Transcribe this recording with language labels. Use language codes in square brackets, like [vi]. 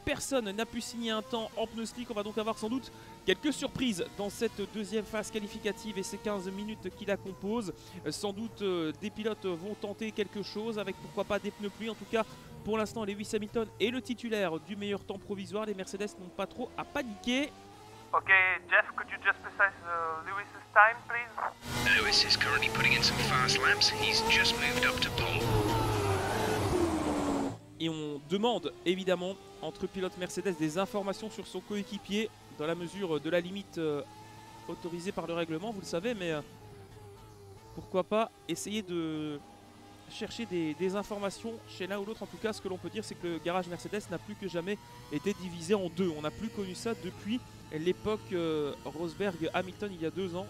[fr] Personne n'a pu signer un temps en pneus slick. On va donc avoir sans doute quelques surprises dans cette deuxième phase qualificative et ces 15 minutes qui la composent. Sans doute des pilotes vont tenter quelque chose avec pourquoi pas des pneus pluie. En tout cas, pour l'instant, Lewis Hamilton est le titulaire du meilleur temps provisoire. Les Mercedes n'ont pas trop à paniquer. [en] Ok, Jeff, could you just precise Lewis's time, please? Lewis is currently putting in some fast laps. He's just moved up to pole. [fr] Et on demande évidemment entre pilote Mercedes des informations sur son coéquipier dans la mesure de la limite autorisée par le règlement, vous le savez, mais pourquoi pas essayer de chercher des informations chez l'un ou l'autre. En tout cas, ce que l'on peut dire, c'est que le garage Mercedes n'a plus que jamais été divisé en deux. On n'a plus connu ça depuis l'époque Rosberg-Hamilton il y a 2 ans.